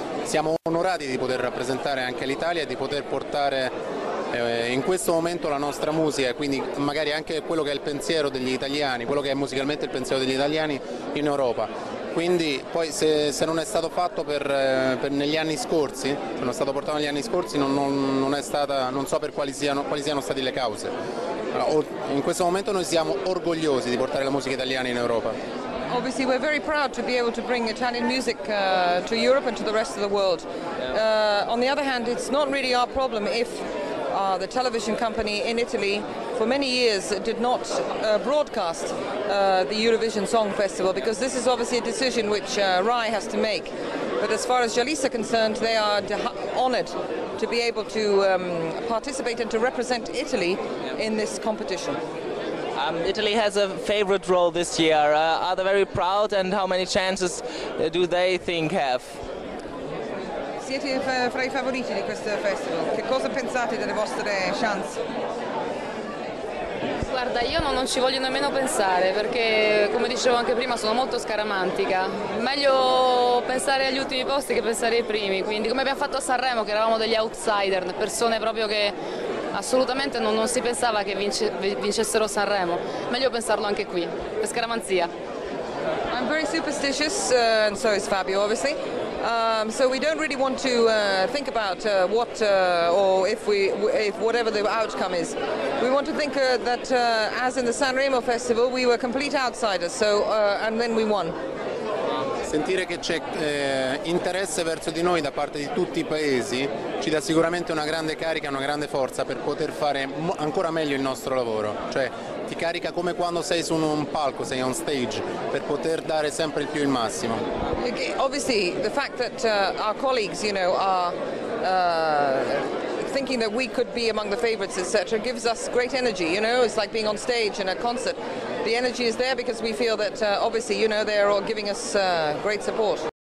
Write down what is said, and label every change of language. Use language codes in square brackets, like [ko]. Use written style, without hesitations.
[it] Siamo onorati di poter rappresentare anche l'Italia e di poter portare in questo momento la nostra musica, quindi magari anche quello che è il pensiero degli italiani, quello che è musicalmente il pensiero degli italiani in Europa. Quindi poi se non è stato fatto per negli anni scorsi, se non è stato portato negli anni scorsi, non so per quali siano state le cause. In questo momento noi siamo orgogliosi di portare la musica italiana in Europa. [en] Obviously, we're very proud to be able to bring Italian music to Europe and to the rest of the world. On the other hand, it's not really our problem if the television company in Italy for many years did not broadcast the Eurovision Song Festival, because this is obviously a decision which RAI has to make. But as far as Jalisse are concerned, they are honoured to be able to participate and to represent Italy in this competition. Italy has a favourite role this year. Are they very proud, and how many chances do they think have? [it] Siete fra i favoriti di questo festival. Che cosa pensate delle vostre chance? Guarda, io non ci voglio nemmeno pensare, perché come dicevo anche prima sono molto scaramantica. Meglio pensare agli ultimi posti che pensare ai primi, quindi come abbiamo fatto a Sanremo, che eravamo degli outsider, persone proprio che assolutamente non si pensava che vincessero Sanremo. Meglio pensarlo anche qui, per scaramanzia. [en] I'm very superstitious, and so is Fabio, obviously. So we don't really want to think about whatever the outcome is. We want to think that as in the San Remo Festival, we were complete outsiders, so and then we won. [it] Sentire che c'è interesse verso di noi da parte di tutti i paesi ci dà sicuramente una grande carica, una grande forza per poter fare ancora meglio il nostro lavoro. Cioè, ti carica come quando sei su un palco, sei [en] on stage, [it] per poter dare sempre più il massimo. [en] Obviously, the fact that our colleagues, you know, are thinking that we could be among the favorites, etc., gives us great energy. You know, it's like being on stage in a concert. The energy is there because we feel that, obviously, you know, they are all giving us great support.